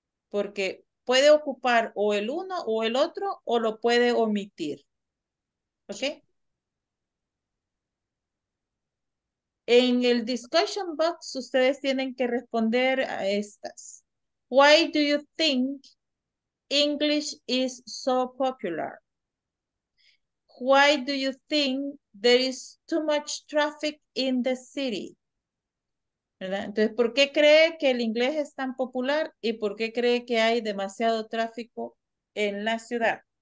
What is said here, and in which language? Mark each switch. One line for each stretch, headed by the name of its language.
Spanish: Porque puede ocupar o el uno o el otro, o lo puede omitir. Okay. En el discussion box, ustedes tienen que responder a estas.
English: Why do you think English is so popular? Why do you think there is too much traffic in the city?
Spanish: ¿Verdad? Entonces, ¿por qué cree que el inglés es tan popular y por qué cree que hay demasiado tráfico en la ciudad?